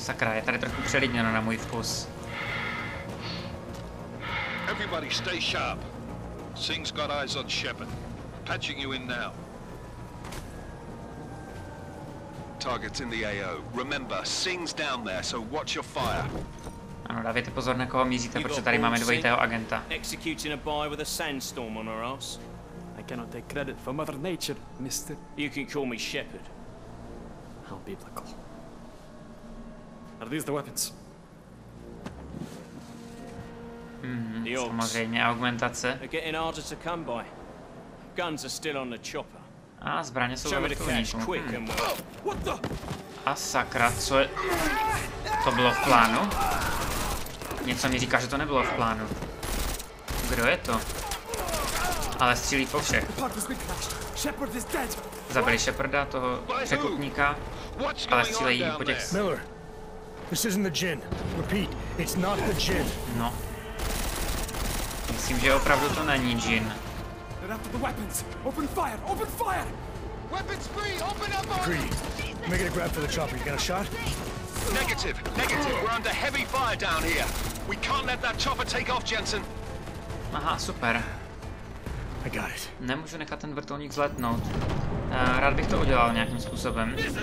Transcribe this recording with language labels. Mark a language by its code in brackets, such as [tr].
[cs] Sakra, je tady trochu přelidněno na můj vkus. [en] Everybody stay sharp. Singh's got eyes on Shepard. Patching you in now. Targets in the AO. Remember, Singh's down there, so watch your fire. [cs] Ano, dávajte pozor, na koho míříte, protože tady máme dvojitého agenta. [en] Executing a boy with a sandstorm on our ass. I cannot take credit for Mother Nature, mister. You can call me Shepard. How biblical. Are these the weapons? [cs] Samozřejmě, augmentace. [en] They're getting harder to come by. Guns are still on the chopper. [cs] A zbraně jsou ve vrtulníku. A sakra, co je... To bylo v plánu? Něco mi říká, že to nebylo v plánu. Kdo je to? Ale střílí po všech. Zabili Shepherda, toho překupníka. Ale střílejí po těch... [en] Miller, this isn't the djinn. Repeat, it's not the djinn. No. [cs] Myslím, že opravdu to není djinn. [en] After the weapons. Open fire. Weapons free. Open up. Agreed. Make it a grab for the chopper. You got a shot? Negative. We're under heavy fire down here. We can't let that chopper take off, Jensen. [cs] Aha, super. [en] I got it. [cs] Nemůžu nechat ten vrtulník vzletnout. Rád bych to udělal nějakým způsobem.